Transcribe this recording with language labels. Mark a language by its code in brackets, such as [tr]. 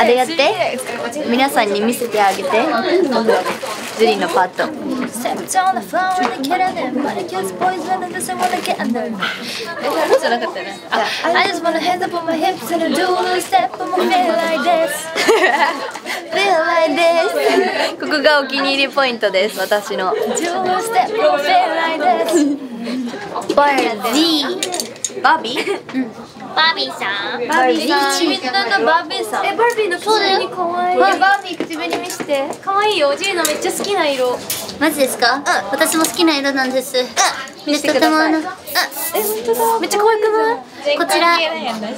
[ja] あれやって。皆さんに見せてあげて。ズリのパート。 [en] Step on the floor and get in there. But I guess boys run and listen when I get in there. I just wanna hands up on my hips and I do a little step on my feet like this. Feel like this. [ja] ここがお気に入りポイントです、私の。 [en] Do a little step on my feet like this. Boy and [ja] D. バービー？うん。バービーさん、バービーさん、みんなのバービーさん。え、バービーの口紅かわいい。バービー口紅見せて。かわいいよ、おじいのめっちゃ好きな色。マジですか？うん。私も好きな色なんです。うん。見せてください。うん。え、ほんとだ。めっちゃ可愛くない？